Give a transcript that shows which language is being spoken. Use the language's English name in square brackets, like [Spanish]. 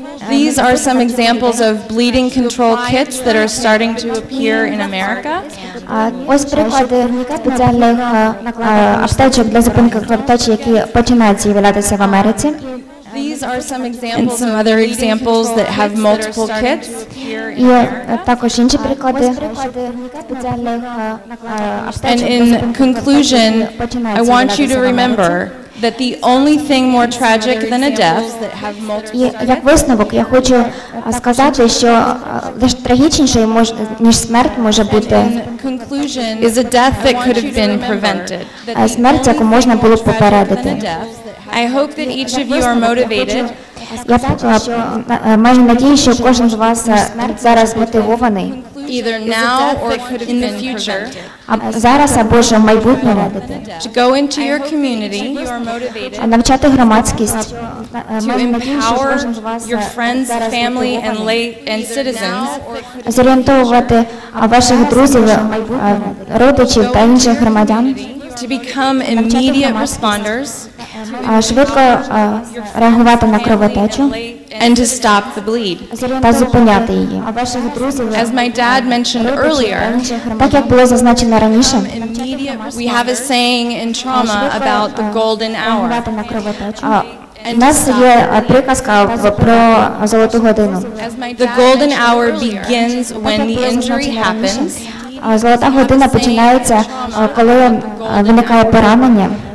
[English] These are some examples of bleeding control kits that are starting to appear in America. [Ukrainian] Ось приклади спеціальних аптечок для зупинки кровотечі, які починають з'являтися в Америці. [English] These are some examples and some other examples that have multiple kits. [Ukrainian] Також інші приклади спеціальних аптечок. [English] And in conclusion, I want you to remember that the only thing more tragic than a death that have multiple. [Ukrainian] Як висновок, я хочу сказати, що лиш трагічніше ніж смерть може бути [English] is a death that could have been prevented. [Ukrainian] А смерть, яку можна було б попередити. [English] I hope that each of you are motivated. [Ukrainian] Я маю надію, що кожен з вас зараз мотивований. [English] Either now or in the future. [Ukrainian] Зараз або ж в майбутньому. [English] To go into your community. [Ukrainian] Навчати громадськість. [English] To empower your friends, family, and citizens. [Ukrainian] Зорієнтовувати ваших друзів, родичів та інших громадян. [English] To become immediate responders. [Ukrainian] Швидко реагувати на кровотечу [English] and to stop the bleed. [Ukrainian] Та зупиняти її. [English] As my dad mentioned earlier, [Ukrainian] так як було зазначено раніше, [English] we have a saying in trauma about the golden hour. [Ukrainian] У нас є приказка про золоту годину. [English] The golden hour begins when the injury happens. [Ukrainian] Золота година починається, коли виникає поранення.